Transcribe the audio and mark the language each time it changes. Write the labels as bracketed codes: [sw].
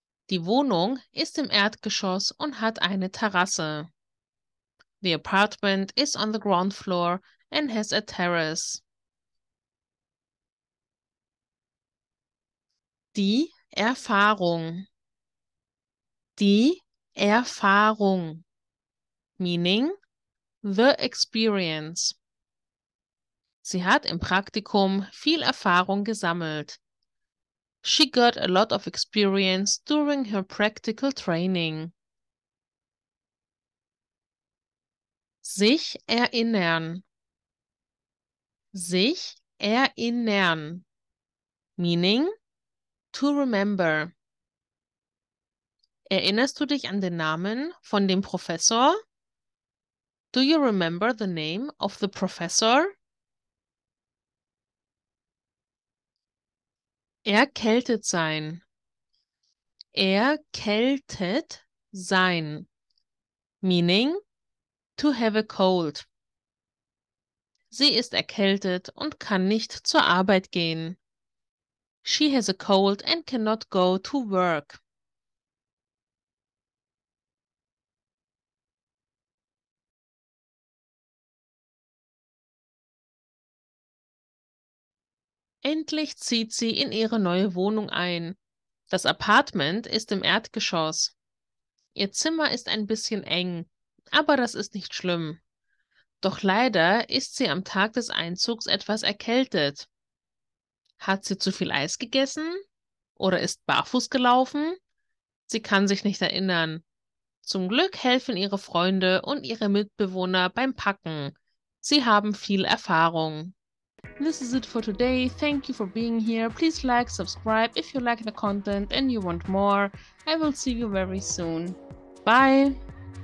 [de] Die Wohnung ist im Erdgeschoss und hat eine Terrasse. [en] The apartment is on the ground floor and has a terrace. [de] Die Erfahrung. Die Erfahrung. [en] Meaning the experience. Sie hat im Praktikum viel Erfahrung gesammelt. She got a lot of experience during her practical training. [de] Sich erinnern. Sich erinnern. [en] Meaning to remember. [de] Erinnerst du dich an den Namen von dem Professor? [en] Do you remember the name of the professor? [de] Erkältet sein. Erkältet sein. [en] Meaning to have a cold. [de] Sie ist erkältet und kann nicht zur Arbeit gehen. [en] She has a cold and cannot go to work. [de] Endlich zieht sie in ihre neue Wohnung ein. Das Apartment ist im Erdgeschoss. Ihr Zimmer ist ein bisschen eng, aber das ist nicht schlimm. Doch leider ist sie am Tag des Einzugs etwas erkältet. Hat sie zu viel Eis gegessen? Oder ist barfuß gelaufen? Sie kann sich nicht erinnern. Zum Glück helfen ihre Freunde und ihre Mitbewohner beim Packen. Sie haben viel Erfahrung. [en] This is it for today. Thank you for being here. Please like, subscribe if you like the content and you want more. I will see you very soon. Bye!